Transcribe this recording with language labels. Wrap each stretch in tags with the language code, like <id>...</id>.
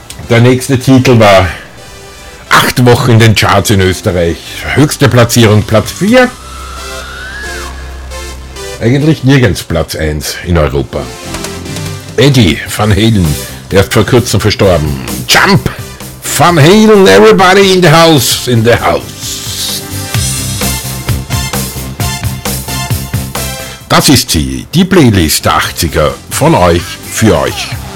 <de>Der nächste Titel war 8 Wochen in den Charts in Österreich. Höchste Platzierung Platz 4. Eigentlich nirgends Platz 1 in Europa. Eddie Van Halen, erst vor kurzem verstorben.</de> <en>Jump! Van Halen, everybody in the house, in the house.</en> <de>Das ist sie, die Playlist der 80er, von euch, für euch.</de>